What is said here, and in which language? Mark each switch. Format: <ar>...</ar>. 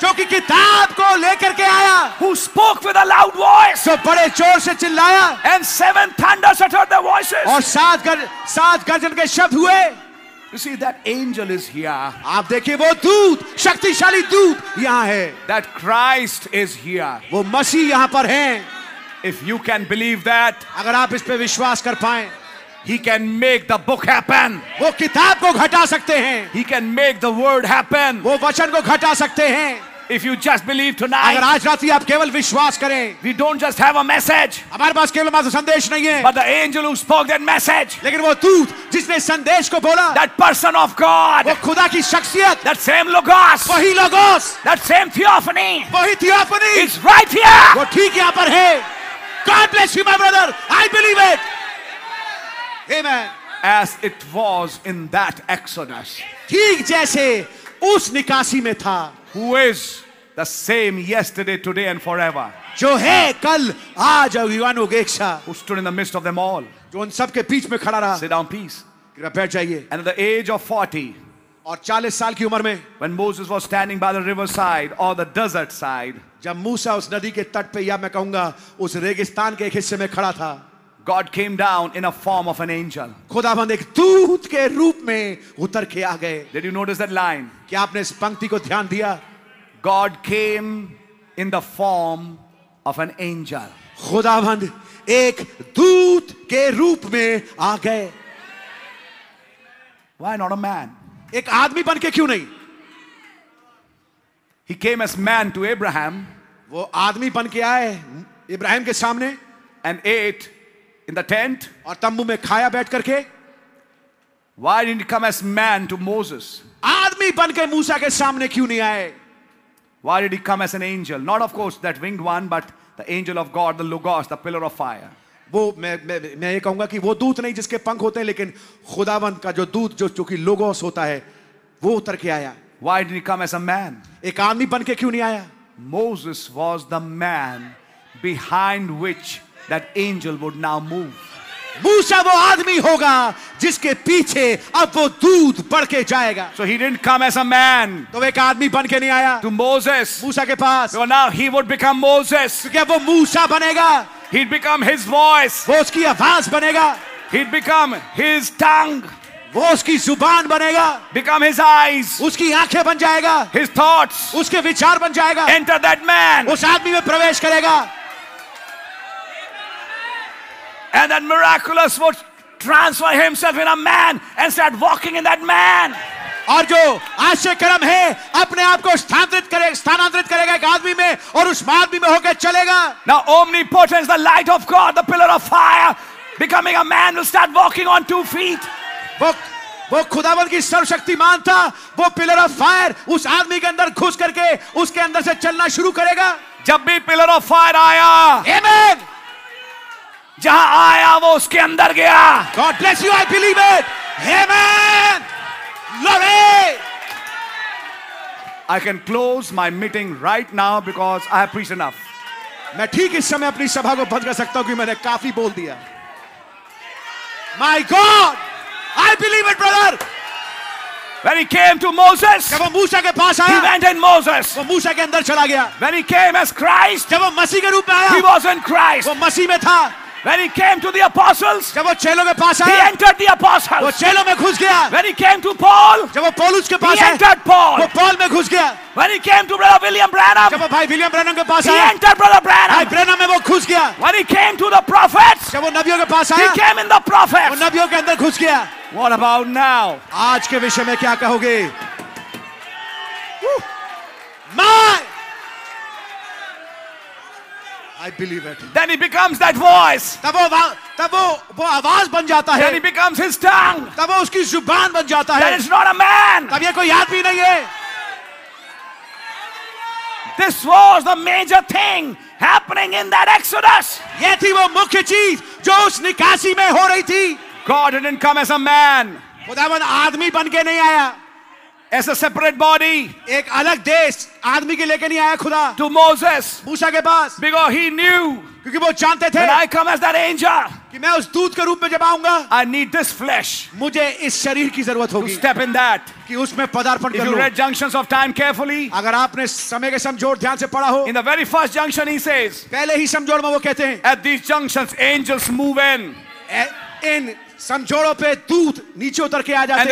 <hi>जो कि किताब को लेकर के आया.</hi> <en>Who spoke with a loud voice.</en> <hi>जो बड़े जोर से चिल्लाया.</hi> <en>And seven thunders uttered their voices.</en> <hi>और सात गर्जन के शब्द हुए.</hi> <en>You see, that angel is here.</en> <hi>आप देखिए वो दूत, शक्तिशाली दूत यहाँ है.</hi> <en>That Christ is here.</en> <hi>वो मसीह यहाँ पर है.</hi> <en>If you can believe that,</en> <hi>अगर आप इस पे विश्वास कर पाएं,</hi> <en>He can make the book happen.</en> <hi>वो किताब को घटा सकते हैं.</hi> <en>He can make the word happen.</en> <hi>वो वचन को घटा सकते हैं.</hi> <en>If you just believe tonight,</en> <hi>अगर आज रात ही आप केवल विश्वास करें,</hi> <en>we don't just have a message,</en> <hi>हमारे पास केवल मात्र संदेश नहीं है,</hi> <en>but the angel who spoke that message,</en> <hi>लेकिन वो दूत जिसने संदेश को बोला,</hi> <en>that person of God,</en> <hi>वो खुदा की शख्सियत,</hi> <en>that same logos,</en> <hi>वही logos,</hi> <en>that same theophany,</en> <hi>वही theophany,</hi> <en>is right here,</en> <hi>वो ठीक यहाँ पर है.</hi> <en>God bless you, my brother. I believe it. Amen. As it was in that Exodus,</en> <hi>ठीक जैसे उस निकासी में था.</hi> <en>Who is the same yesterday, today, and forever?</en> <hi>जो है कल, आज और युगानुग एक एक्षा.</hi> <en>Who stood in the midst of them all?</en> <hi>जो उन सब के बीच में खड़ा रहा.</hi> <en>Sit down, please.</en> <hi>कृपया बैठ जाइए.</hi> <en>And at the age of 40.</en> <hi>और 40 साल की उम्र में.</hi> <en>When Moses was standing by the riverside or the desert side.</en> <hi>जब मूसा उस नदी के तट पे या मैं कहूँगा उस रेगिस्तान के एक हिस्से में खड़ा था.</hi> <en>God came down in a form of an angel.</en> <hi>खुदावंद एक दूत के रूप में उतर के आ गए.</hi> <en>Did you notice that line?</en> <hi>क्या आपने इस पंक्ति को ध्यान दिया?</hi> <en>God came in the form of an angel.</en> <hi>खुदावंद एक दूत के रूप में आ गए.</hi> <en>Why not a man?</en> <hi>एक आदमी बन के क्यों नहीं?</hi> <en>He came as man to Abraham.</en> <hi>वो आदमी बन के आए इब्राहिम के सामने.</hi> <en>And ate in the tent.</en> <hi>और तंबू में खाया बैठ करके.</hi> <en>Why didn't he come as man to Moses?</en> <hi>आदमी बन के मूसा के सामने क्यों नहीं आए?</hi> <en>Why did he come as an angel? Not of course that winged one, but the angel of God, the logos, the pillar of fire.</en> <hi>वो मैं ये कहूंगा कि वो दूत नहीं जिसके पंख होते हैं, लेकिन खुदावंत का जो दूत जो चूंकि लोगोस होता है वो उतर के आया.</hi> <en>Why did he come as a man?</en> <hi>एक आदमी बन के क्यों नहीं आया?</hi> <en>Moses was the man behind which that angel would now move.</en> <hi>मूसा वो आदमी होगा जिसके पीछे अब वो दूध बढ़ के जाएगा.</hi> <en>So he didn't come as a man.</en> <hi>तो एक आदमी बन के नहीं आया.</hi> <en>To Moses.</en> <hi>मूसा के पास.</hi> <en>So now he would become Moses.</en> <hi>क्योंकि अब वो मूसा बनेगा.</hi> <en>He'd become his voice.</en> <hi>वो उसकी आवाज बनेगा.</hi> <en>He'd become his tongue.</en> <hi>वो उसकी जुबान बनेगा.</hi> <en>Become his eyes.</en> <hi>उसकी आंखें बन जाएगा.</hi> <en>His thoughts.</en> <hi>उसके विचार बन जाएगा.</hi> <en>Enter that man.</en> <hi>उस आदमी में प्रवेश करेगा.</hi> <en>And that miraculous would transfer himself in a man and start walking in that man.</en> <hi>और जो आश्चर्यकर्म है अपने आप को स्थानांतरित करेगा एक आदमी में और उस आदमी में होकर चलेगा.</hi> <en>Now omnipotence, the light of God, the pillar of fire, becoming a man will start walking on two feet.</en> <hi>वो खुदावन की सर्वशक्तिमान था वो</hi> <en>pillar of fire</en> <hi>उस आदमी के अंदर घुस करके उसके अंदर से चलना शुरू करेगा. जब भी</hi> <en>pillar of fire</en> <hi>आया,</hi> <en>Amen.</en> <hi>जहां आया वो उसके अंदर गया.</hi> <en>God bless you, I believe it. Amen. Love it. I can close my meeting right now because I have preached enough.</en> <hi>मैं ठीक इस समय अपनी सभा को बंद कर सकता हूं कि मैंने काफी बोल दिया.</hi> <en>My God, I believe it, brother. When he came to Moses,</en> <hi>जब वो मूसा के पास आया,</hi> <en>he went in Moses.</en> <hi>वो मूसा के अंदर चला गया.</hi> <en>When he came as Christ,</en> <hi>जब वो मसीह के रूप में आया,</hi> <en>he was in Christ.</en> <hi>वो मसीह में था.</hi> <en>When he came to the apostles,</en> <hi>जब वो चेलों के पास आया,</hi> <en>he entered the apostles.</en> <hi>वो चेलों में घुस गया.</hi> <en>When he came to Paul,</en> <hi>जब वो पौलुस के पास आया,</hi> <en>he entered Paul.</en> <hi>वो पौल में घुस गया.</hi> <en>When he came to brother William Branham,</en> <hi>जब वो भाई विलियम ब्रैनम के पास आया,</hi> <en>he entered brother Branham.</en> <hi>भाई ब्रैनम में वो घुस गया.</hi> <en>When he came to the prophets,</en> <hi>जब वो नबियों के पास आया,</hi> <en>he came in the prophets.</en> <hi>वो नबियों के अंदर घुस गया.</hi> <en>What about now?</en> <hi>आज के विषय में क्या कहोगे?</hi> <en>My, I believe it. Then he becomes that voice.</en> <hi>तब वो आवाज बन जाता है.</hi> <en>Then he becomes his tongue.</en> <hi>तब वो उसकी जुबान बन जाता है.</hi> <en>Then it's not a man.</en> <hi>तब ये कोई आदमी नहीं है.</hi> <en>This was the major thing happening in that Exodus.</en> <hi>ये थी वो मुख्य चीज जो उस निकासी में हो रही थी.</hi> <en>God didn't come as a man.</en> <hi>खुदावन आदमी बन के नहीं आया.</hi> <en>As a separate body,</en> <hi>एक अलग देश आदमी के लेके नहीं आया खुदा.</hi> <en>To Moses,</en> <hi>मूसा के पास.</hi> <en>Because he knew,</en> <hi>क्योंकि वो जानते थे.</hi> <en>When I come as that angel,</en> <hi>कि मैं उस दूत के रूप में जब आऊंगा,</hi> <en>I need this flesh,</en> <hi>मुझे इस शरीर की जरूरत होगी.</hi> <en>To step in that,</en> <hi>कि उसमें पदार्पण करूं.</hi> <en>If you read junctions of time carefully,</en> <hi>अगर आपने समय के समझौड़ ध्यान से पढ़ा हो,</hi> <en>in the very first junction he says,</en> <hi>पहले ही समझौड़ में वो कहते हैं,</hi> <en>at these junctions angels move in,</en> <hi>in समझौड़ों पे दूत नीचे उतर के आ जाते</hi>